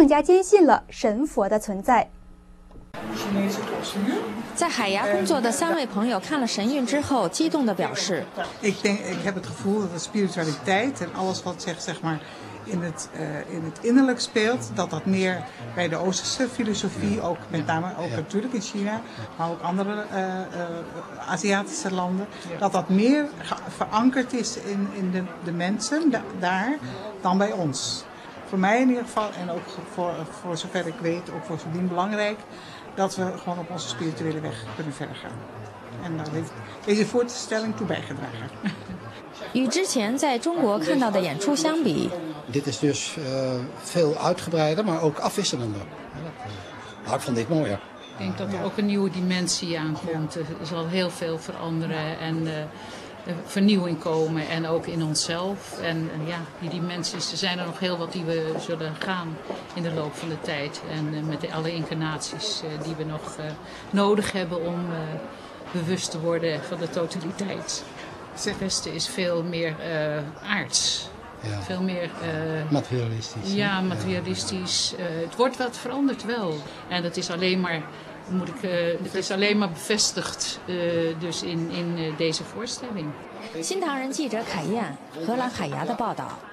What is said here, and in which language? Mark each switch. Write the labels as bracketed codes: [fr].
[zh] 美国神韵纽约艺术团3月19号在荷兰海牙举行了第二场演出，粉丝和新观众慕名而来。当第一个节目大幕刚一拉开，掌声就热烈响起。神韵让荷兰的观众领略到了真正的神传文化，更加坚信了神佛的存在。在海牙工作的三位朋友看了神韵之后，激动地表示 [nl] ：“Ik heb het gevoel dat de spiritualiteit en alles wat zeg maar in het innerlijk speelt, dat meer bij de Oosterse filosofie, ook met name ook natuurlijk in China, maar ook andere Aziatische landen, dat meer verankerd is in de mensen daar dan bij ons. Voor mij in ieder geval en ook voor zover ik weet, ook voor Verdien belangrijk. Dat we gewoon op onze spirituele weg kunnen verder gaan. En daar heeft deze voorstelling toe bijgedragen. [zh] 与之前在中国看到的演出相比, [nl] dit is dus veel uitgebreider, maar ook afwisselender. Maar ik vond dit mooier. Ik denk dat er ook een nieuwe dimensie aankomt. Er zal heel veel veranderen en vernieuwing komen. En ook in onszelf. En ja, die dimensies, er zijn er nog heel wat die we zullen gaan in de loop van de tijd. En met alle incarnaties die we nog nodig hebben om bewust te worden van de totaliteit. Het beste is veel meer aards. Ja. Veel meer materialistisch. Ja, materialistisch. Ja. Het wordt wat veranderd wel. En dat is alleen maar, het is alleen maar bevestigd dus in deze voorstelling. [zh] 新唐人记者凯燕，荷兰海牙的报道。